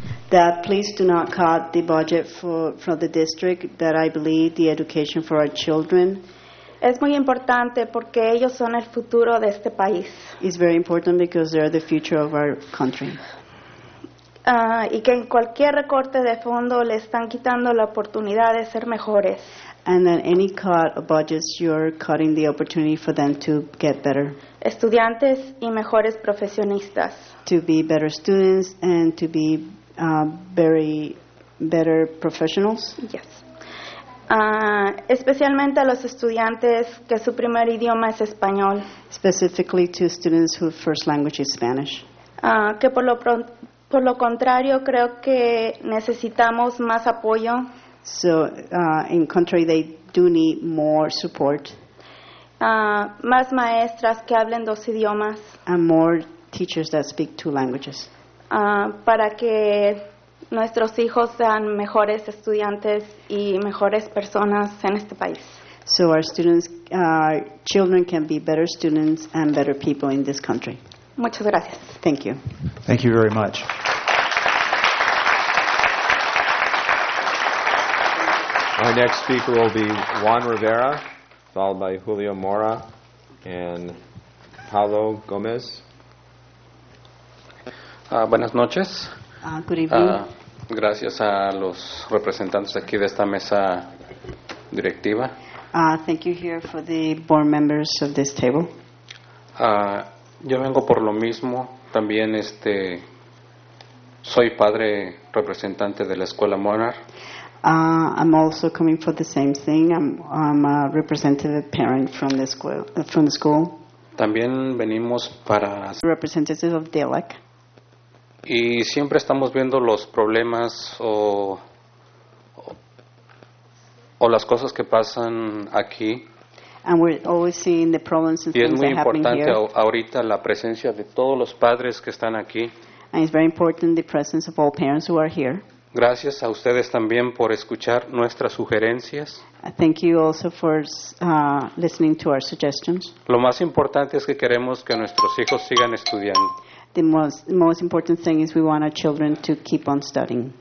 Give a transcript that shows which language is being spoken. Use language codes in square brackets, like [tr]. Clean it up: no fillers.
[en] That please do not cut the budget for the district, that I believe the education for our children. [es] Es muy importante porque ellos son el futuro de este país. [en] It's very important because they are the future of our country. [es] Y que en cualquier recorte de fondo le están quitando la oportunidad de ser mejores. [en] And that any cut of budgets, you're cutting the opportunity for them to get better. [es] Estudiantes y mejores profesionistas. [en] To be better students and to be very better professionals. Yes. [es] Especialmente a los estudiantes que su primer idioma es español. [en] Specifically to students whose first language is Spanish. [es] Que por lo contrario creo que necesitamos más apoyo. [en] So, in contrary, they do need more support. [es] Más maestras que hablen dos idiomas. [en] And more teachers that speak two languages. [es] Para que nuestros hijos sean mejores estudiantes y mejores personas en este país. [en] So our students, children can be better students and better people in this country. [es] Muchas gracias. [en] Thank you. Thank you very much. Our next speaker will be Juan Rivera, followed by Julio Mora and Paulo Gomez. [es] Buenas noches. [en] Good evening. [es] Gracias a los representantes aquí de esta mesa directiva. [en] Thank you here for the board members of this table. [es] Yo vengo por lo mismo. También soy padre representante de la Escuela Monarch. [en] I'm also coming for the same thing. I'm a representative parent from the school. [es] También venimos para [en] representatives of DELEC. [es] Y siempre estamos viendo los problemas o las cosas que pasan aquí. [en] And we're always seeing the problems and [es] y es muy [en] that [es] importante [en] here. [es] Ahorita la presencia de todos los padres que están aquí. [en] And it's very important the presence of all parents who are here. [es] Gracias a ustedes también por escuchar nuestras sugerencias. [en] Thank you also for listening to our suggestions. [es] Lo más importante es que queremos que nuestros hijos sigan estudiando. [en] The most important thing is we want our children to keep on studying.